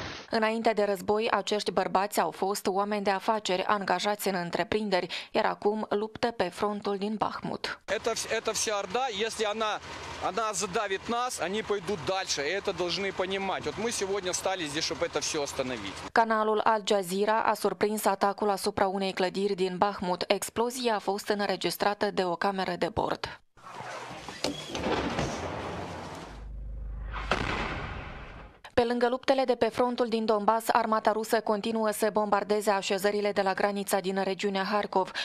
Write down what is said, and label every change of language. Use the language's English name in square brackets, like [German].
[Romanian] Înainte de război, acești bărbați au fost oameni de afaceri, angajați în întreprinderi, iar acum luptă pe frontul din Bahmut. [Russian] Это вся орда, если она задавит нас, они пойдут дальше, и это должны понимать. Вот мы сегодня стали здесь, чтобы это все остановить. [Romanian] Canalul Al Jazeera a surprins atacul asupra unei clădiri din Bahmut. Explozia a fost înregistrată de o cameră de bord. Pe lângă luptele de pe frontul din Donbass, armata rusă continuă să bombardeze așezările de la granița din regiunea Harkov.